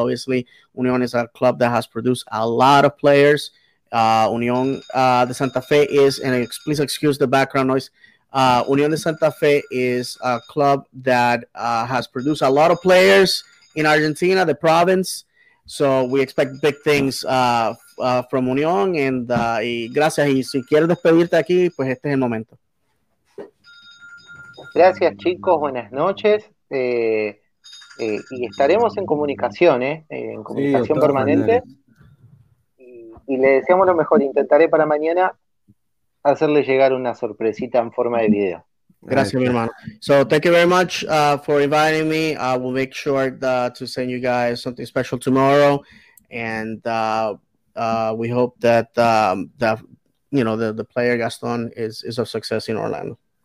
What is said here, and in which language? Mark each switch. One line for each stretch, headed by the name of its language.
English: Obviously, Unión is a club that has produced a lot of players. Unión de Santa Fe is, and please excuse the background noise, Unión de Santa Fe is a club that has produced a lot of players in Argentina, the province. So we expect big things from Unión.
Spanish: And y gracias. Y si quieres despedirte aquí, pues este es el momento. Gracias, chicos. Buenas noches. Y estaremos en comunicación, en comunicación permanente. Y le deseamos lo mejor. Intentaré para mañana hacerle llegar una sorpresita en forma de video. Gracias, mi hermano.
English: So, thank you very much for inviting me. I will make sure to send you guys something special tomorrow. And we hope that, the player Gaston is a success in Orlando.